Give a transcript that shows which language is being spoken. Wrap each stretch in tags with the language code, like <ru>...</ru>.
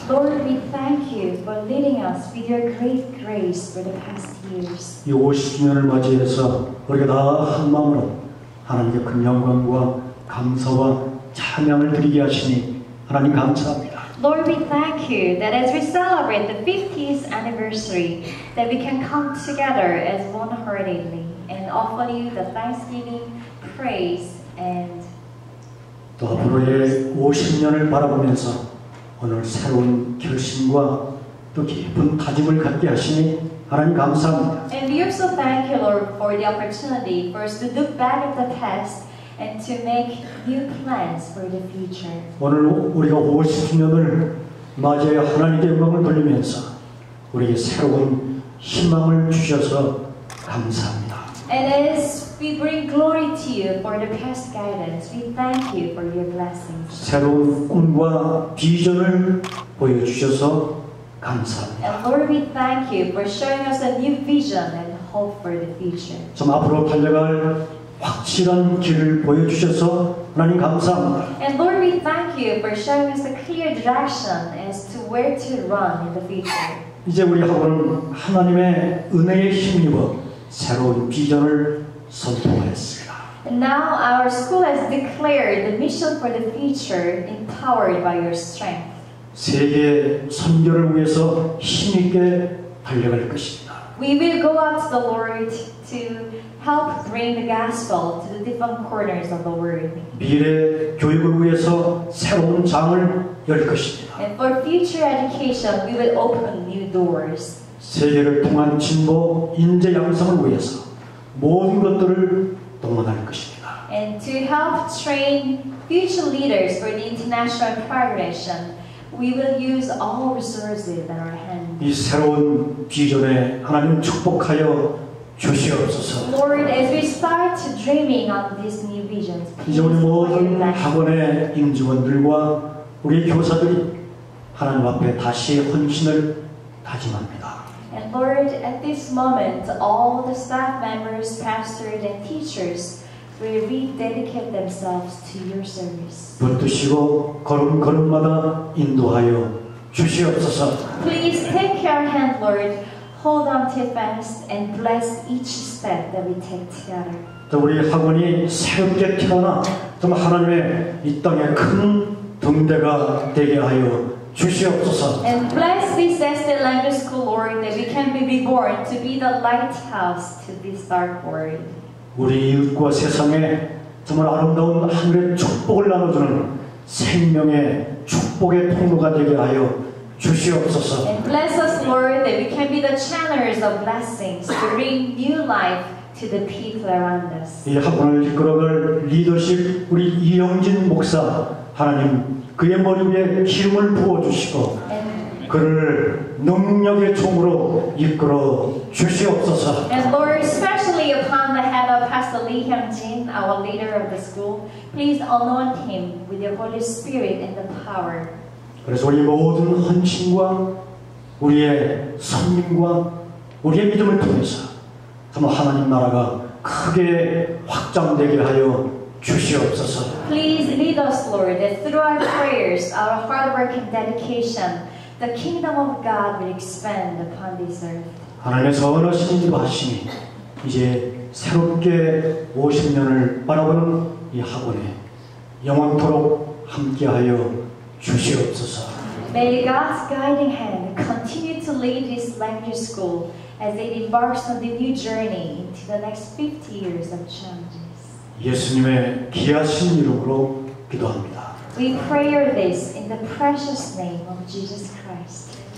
<en>Lord, we thank you for leading us with your great grace for the past years.</en> <ko>이 50년을 맞이해서 우리가 다 한 마음으로 하나님께 큰 영광과 감사와 찬양을 드리게 하시니 하나님 감사합니다.</ko> <en>Lord, we thank you that as we celebrate the 50th anniversary, that we can come together as one-heartedly and offer you the thanksgiving, praise, and</en> <ko>또 앞으로의 50년을 바라보면서 오늘 새로운 결심과 또 깊은 다짐을 갖게 하시니 하나님 감사합니다.</ko> <en>And we also thank you, Lord, for the opportunity for us to look back at the past and to make new plans for the future.</en> <ko>오늘 우리가 50년을 맞이하여 하나님께 영광을 돌리면서 우리에게 새로운 희망을 주셔서 감사합니다.</ko> <en>And as we bring glory to you for the past guidance, we thank you for your blessings.</en> <ko>새로운 꿈과 비전을 보여주셔서 감사합니다.</ko> <en>And Lord, we thank you for showing us a new vision and hope for the future.</en> <ko>좀 앞으로 달려갈 확실한 길을 보여주셔서 하나님 감사합니다.</ko> <en>And Lord, we thank you for showing us a clear direction as to where to run in the future.</en> <ko>이제 우리 학원은 하나님의 은혜에 힘입어 새로운 비전을 선포하였습니다.</ko> <en>And now our school has declared the mission for the future empowered by your strength.</en> <ko>세계 선교를 위해서 힘있게 달려갈 것입니다.</ko> <en>We will go out to the Lord to help bring the gospel to the different corners of the world.</en> <ko>미래 교육을 위해서 새로운 장을 열 것입니다.</ko> <en>And for future education, we will open new doors.</en> <ko>세계를 통한 진보, 인재 양성을 위해서 모든 것들을 동원할 것입니다.</ko> <en>And to help train future leaders for the international collaboration, we will use all resources in our hands.</en> <ko>이 새로운 비전에 하나님 축복하여 주시옵소서.</ko> <en>Lord, as we start dreaming of these new visions,</en> <ko>이제 우리 모든 학원의 임직원들과 우리 교사들이 하나님 앞에 다시 헌신을 다짐합니다.</ko> <en>And Lord, at this moment, all the staff members, pastors, and teachers will rededicate themselves to your service.</en> <ko>붙드시고 걸음걸음마다 인도하여 주시옵소서.</ko> <en>Please take your hand, Lord. hold on to fast and bless each step that we take together.</en> <ko>또 우리 학원이 새롭게 태어나 정말 하나님의 이 땅에 큰 등대가 되게 하여 주시옵소서.</ko> <en>And bless this Estee Language School, Lord, that we can be reborn to be the lighthouse to this dark world.</en> <ko>우리 이웃과 세상에 정말 아름다운 하늘의 축복을 나눠주는 생명의 축복의 통로가 되게 하여 주시옵소서.</ko> <en>And bless us, Lord, that we can be the channels of blessings to bring new life to the people around us.</en> <ko>이 학원을 이끌어갈 리더십 우리 이영진 목사 하나님 그의 머리 위에 기름을 부어주시고 그를 능력의 총으로 이끌어 주시옵소서.</ko> <en>And Lord, especially upon the head of Pastor Lee Hyung-jin, our leader of the school, please anoint him with your Holy Spirit and the power.</en> <ko>그래서 우리 모든 헌신과 우리의 섬김과 우리의 믿음을 통해서 정말 하나님 나라가 크게 확장되게 하여 주시옵소서.</ko> <en>Please lead us, Lord, that through our prayers, our hard work and dedication, the kingdom of God will expand upon this earth.</en> <ko>하나님의 선하신 말씀이 이제 새롭게 50년을 바라보는 이 학원에 영원토록 함께하여 주시옵소서.</ko> <en>May God's guiding hand continue to lead this language school as it embarks on the new journey into the next 50 years of change.</en> <ko>예수님의 귀하신 이름으로 기도합니다.</ko> <en>We pray this in the precious name of Jesus Christ.</en>